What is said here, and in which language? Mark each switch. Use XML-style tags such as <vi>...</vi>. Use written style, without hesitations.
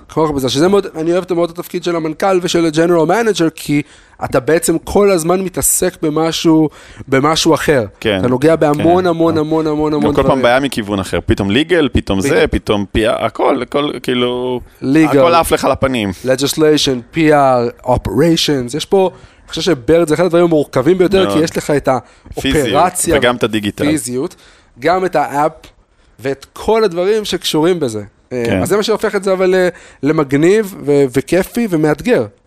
<he>כמו מכבסה, שזה מאוד, אני אוהבת מאוד את התפקיד של המנכ״ל ושל הג'נרל מנג'ר, כי אתה בעצם כל הזמן מתעסק במשהו אחר. כן. אתה נוגע בהמון, כן. המון, המון, המון, המון, המון כל דברים. כל פעם בעיה מכיוון אחר, פתאום ליגל, פתאום זה, פתאום PR, הכל, הכל כאילו... ליגל. הכל אף לך לפנים.</he> <en>Legislation, PR, operations, יש פה...</en> <he>אני חושב שברד זה אחד הדברים המורכבים ביותר, כי יש לך את האופרציה, וגם את הדיגיטל, פיזיות, גם את האפ, ואת כל הדברים שקשורים בזה. אז זה מה שהופך את זה אבל למגניב, וכיפי, ומאתגר.</he>